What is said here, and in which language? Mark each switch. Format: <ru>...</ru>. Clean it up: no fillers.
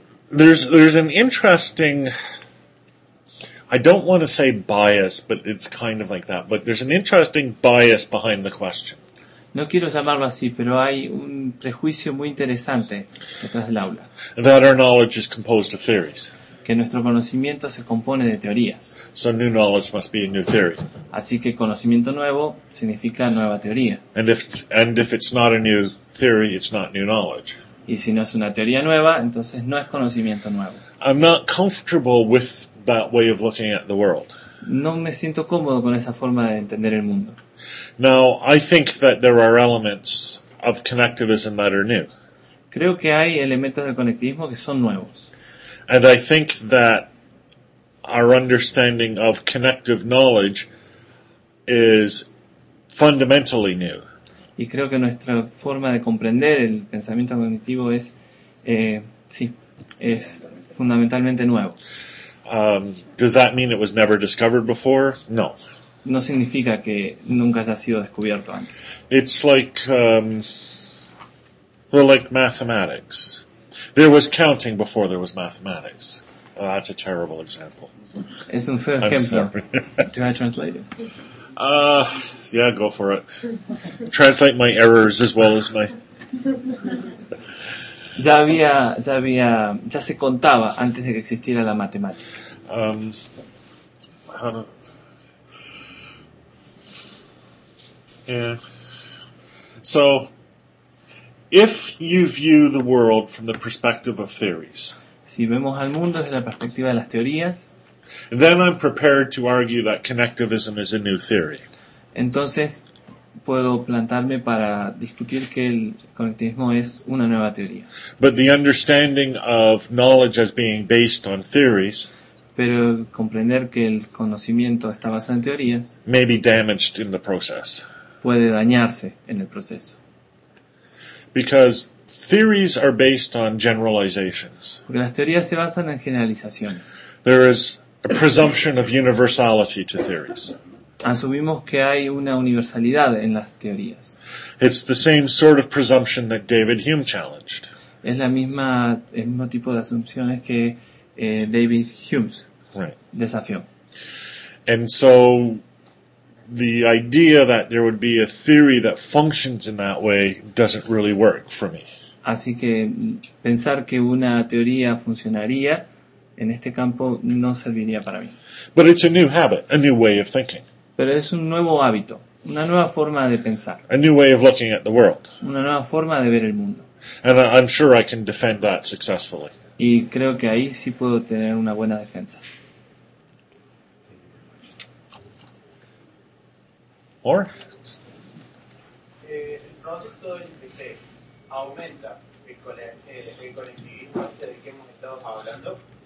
<en>there's an interesting, I don't want to say bias, but it's kind of like that, but there's an interesting bias behind the question.</en> <es>No quiero llamarlo así, pero hay un prejuicio muy interesante detrás del aula.</es> <en>That our knowledge is composed of theories.</en> <es>Que nuestro conocimiento se compone de teorías.</es> <en>So new knowledge must be a new theory.</en> <es>Así que conocimiento nuevo significa nueva teoría.</es> <en>And if it's not a new theory, it's not new knowledge.</en> <es>Y si no es una teoría nueva, entonces no es conocimiento nuevo.</es> <en>I'm not comfortable with that way of looking at the world.</en> <es>No me siento cómodo con esa forma de entender el mundo.</es> <en>Now, I think that there are elements of connectivism that are new.</en> <es>Creo que hay elementos del conectivismo que son nuevos.</es> <en>And I think that our understanding of connective knowledge is fundamentally new.</en> <es>Y creo que nuestra forma de comprender el pensamiento cognitivo es, sí, es fundamentalmente nuevo.</es> <en>Does that mean it was never discovered before? No.</en> <es>No significa que nunca haya sido descubierto antes.</es> <en>It's like, well, like mathematics. There was counting before there was mathematics. Oh, that's a terrible example.</en> <es>Es un feo ejemplo.</es> <en>Do I translate it? Yeah, go for it. Translate my errors as well as my...</en> <es>Ya se contaba antes de que existiera la matemática.</es> <en>So, if you view the world from the perspective of theories,</en> <es>si vemos al mundo desde la perspectiva de las teorías,</es> <en>then I'm prepared to argue that connectivism is a new theory.</en> <es>Entonces puedo plantarme para discutir que el conectivismo es una nueva teoría.</es> <en>But the understanding of knowledge as being based on theories,</en> <es>pero comprender que el conocimiento está basado en teorías,</es> <en>may be damaged in the process.</en> <es>Puede dañarse en el proceso.</es> <en>Because theories are based on generalizations.</en> <es>Porque las teorías se basan en generalizaciones.</es> <en>There is a presumption of universality to theories.</en> <es>Asumimos que hay una universalidad en las teorías.</es> <en>It's the same sort of presumption that David Hume challenged.</en> <es>Es la misma, el mismo tipo de asunciones que David Hume desafió.</es> <en>And so the idea that there would be a theory that functions in that way doesn't really work for me.</en> <es>Así que pensar que una teoría funcionaría en este campo no serviría para mí.</es> <en>But it's a new habit, a new way of thinking.</en> <es>Pero es un nuevo hábito, una nueva forma de pensar.</es> <en>A new way of looking at the world.</en> <es>Una nueva forma de ver el mundo.</es> <en>And I'm sure I can defend that successfully.</en> <es>Y creo que ahí sí puedo tener una buena defensa.</es> <en>Or?</en> <es>El concepto de que aumenta el conectivismo hacia el que hemos estado hablando.</es>